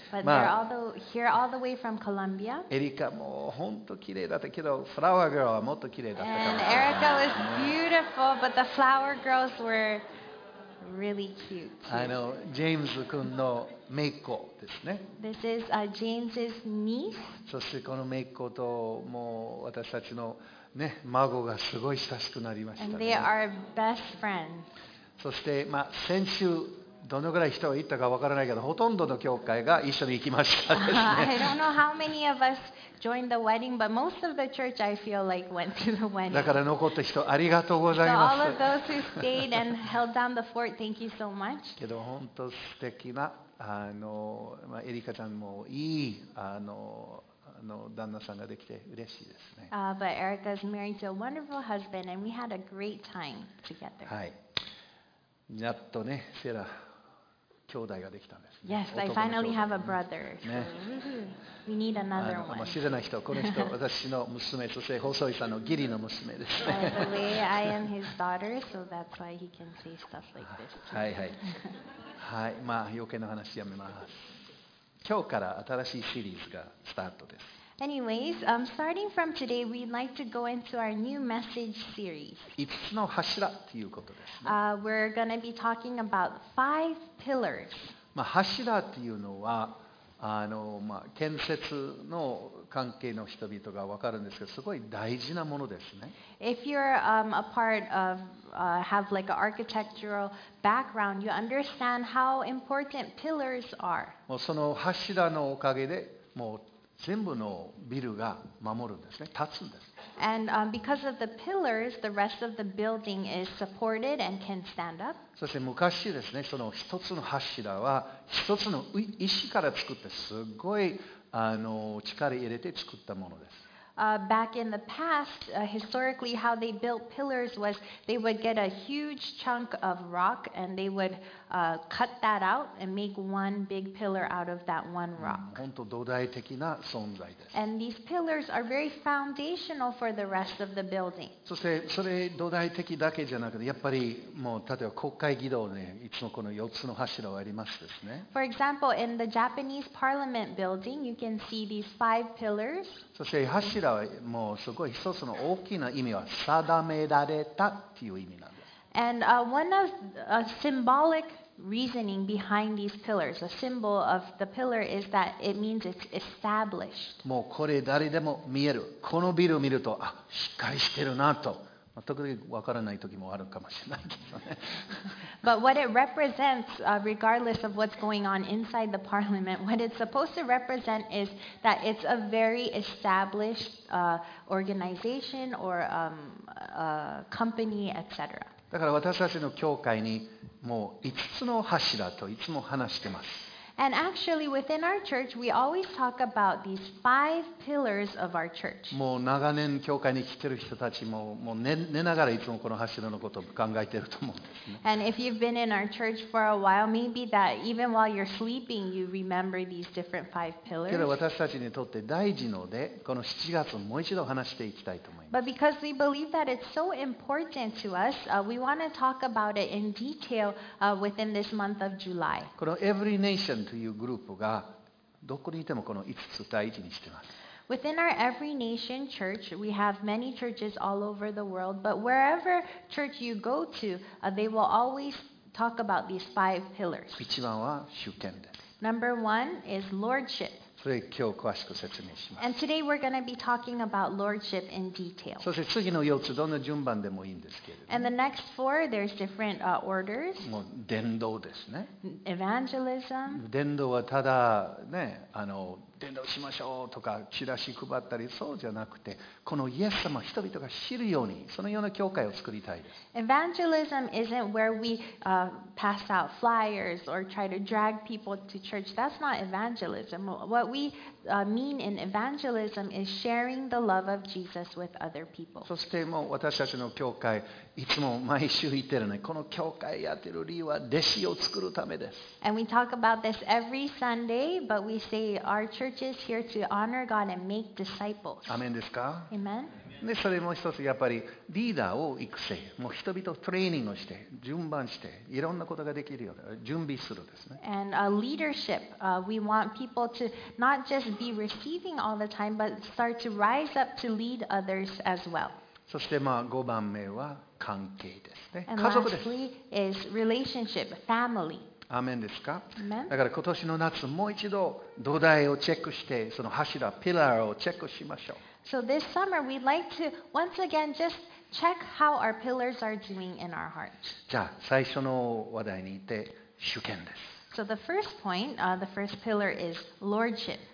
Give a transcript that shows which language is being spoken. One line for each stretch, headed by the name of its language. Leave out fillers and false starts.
English: But they're all the, here all the way from Colombia.
Japanese: エリカも本当綺麗だったけど、フラワーガールはもっと綺麗だったから。
English: And Erica was beautiful, but the flower girls were really cute. I know.
Japanese: ジェームズ君のメイコですね。
English: This is James's niece.
Japanese: そしてこのメイコと、もう私たちのね、孫がすごい親しくなりましたね。
English: And they are best friends.
Japanese: そして、まあ、先週どのぐらい人が行ったかわからないけど、ほとんどの教会が一緒に行きましたですね。
English: I don't know how many of us joined the wedding, but most of the church I feel like went to the wedding.
Japanese: だから残った人ありがとうございます。
English: So all of those who stayed and held down the fort, thank you so much.
Japanese: けど本当素敵なまあ、エリカちゃんもいい旦那さんができて嬉しいですね。
English: But Erica is married to a wonderful husband, and we had a great time together.
Japanese: はい。やっとね、セラ兄弟ができたんです、ね。
English: Yes, I finally have a brother. ね、We need another one.
Japanese: まあ、知らない人、この人、私の娘、そして細井さんの義理の娘です、ね。
English: By the way, I am his daughter, so that's why he can say stuff like this.
Japanese: はいはい。はい、まあ余計な話やめます。今日から新しいシリーズがスタートです。
English: Anyways, starting from today, we'd like to go into our new message series.
Japanese: 5つの柱ということです、ね。
English: We're going to be talking about five pillars.
Japanese: まあ、柱っていうのは、まあ、建設の関係の人々が分かるんですけど、すごい大事なものですね。
English: If you're a part of, have like an architectural background, you understand how important pillars are.
Japanese: もうその柱のおかげで、もう全部のビルが守るんですね。立つんです。
English: And because of the pillars, the rest of the building is supported and can stand up.
Japanese: そして昔ですね、その一つの柱は一つの石から作って、すごい力入れて作ったものです。
English: Back in the past, historically, how they built pillars was they would get a huge chunk of rock and they would cut that out and make one big pillar out of that one rock.
Japanese: 本当土台的な存在です。
English: And these pillars are very foundational for the rest of the building.
Japanese: そしてそれ土台的だけじゃなくて、やっぱりもう例えば国会議堂ね、いつもこの4つの柱がありますですね。
English: For example, in the Japanese Parliament building, you can see these five pillars.
Japanese: そして柱はもうすごい一つの大きな意味は定められたっていう意味なんです。
English: And one of a symbolic reasoning behind these pillars, a symbol of the pillar is that it means it's established.
Japanese: もうこれ誰でも見える。このビルを見るとあしっかりしてるなと。時々わからない時もあるかもしれないけどね。
English: But what it represents, regardless of what's going on inside the parliament, what it's supposed to represent is that it's a very established organization or company, etc.
Japanese: だから私たちの教会にもう5つの柱といつも話してます。
English: And actually, within our church, we always talk about these five pillars of our church.
Japanese: もう長年教会に来てる人たちも、もう 寝ながらいつもこの柱のことを考えてると思うんですね。
English: And if you've been in our church for a while, maybe that even while you're sleeping, you remember these different five pillars.
Japanese: けど私たちにとって大事ので、この7月もう一度話していきたいと思います。
English: But because we believe that it's so important to us, we want to talk about it in detail within this month of July.
Japanese: この Every Nationというグループがどこにいてもこの5つ大事にしています。
English: Within our Every Nation Church, we have many churches all over the world, but wherever church you go to, they will always talk about these five pillars.
Japanese: 一番は主権です。
English: Number one is Lordship.
Japanese: それ今日詳しく説明します。
English: And today we're going to be talking about Lordship in detail.
Japanese: そして次の4つどの順番でもいいんですけれども。
English: And the next four, there's different orders.
Japanese: もう伝道ですね。
English: Evangelism.
Japanese: 伝道はただね、伝道しましょうとかチラシ配ったりそうじゃなくて、このイエス様を人々が知るようにそのような教会を作りたいです。
English: Evangelism isn't where we pass out flyers or try to drag people to church. That's not evangelism. What we mean in evangelism is sharing the love of Jesus with other people.
Japanese: そしてもう私たちの教会いつも毎週言ってるね、この教会やってる理由は弟子を作るためです。
English: And we talk about this every Sunday, but we say our church is here to honor God and make disciples.
Japanese: アメンですか？
English: Amen.
Japanese: でそれもう一つやっぱりリーダーを育成、もう人々をトレーニングして順番していろんなことができるように準備するですね。
English: And leadership, we want people to not just be receiving all the time, but start to rise up to lead others as well.
Japanese: そしてまあ5番目は関係ですね。
English: And lastly is relationship, family.
Japanese: アメンですか？だから今年の夏もう一度土台をチェックして、その柱ピラーをチェックしましょう。
English: So this summer we'd like to once again just check how our pillars are doing in our hearts.
Japanese: じゃあ最初の話題にいて、主権です。
English: So the first point, the first pillar is Lordship.